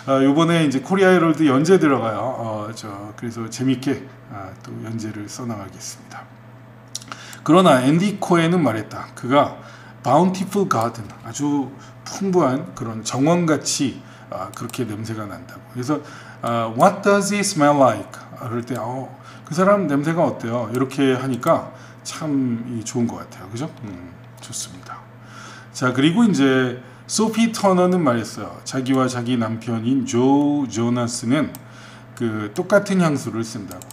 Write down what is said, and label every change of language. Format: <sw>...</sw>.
<ko>이번에 이제 코리아 헤럴드 연재 들어가요. 그래서 재밌게 또 연재를 써나가겠습니다. 그러나 앤디 코헨은 말했다. 그가 Bountiful Garden, 아주 풍부한 그런 정원같이 그렇게 냄새가 난다고. 그래서</ko> <en>What does it smell like?</en> <ko>그럴 때 그 사람 냄새가 어때요? 이렇게 하니까 참 좋은 것 같아요. 그죠? 좋습니다. 자 그리고 이제 소피 터너는 말했어요. 자기와 자기 남편인 조 조나스는 그 똑같은 향수를 쓴다고.</ko>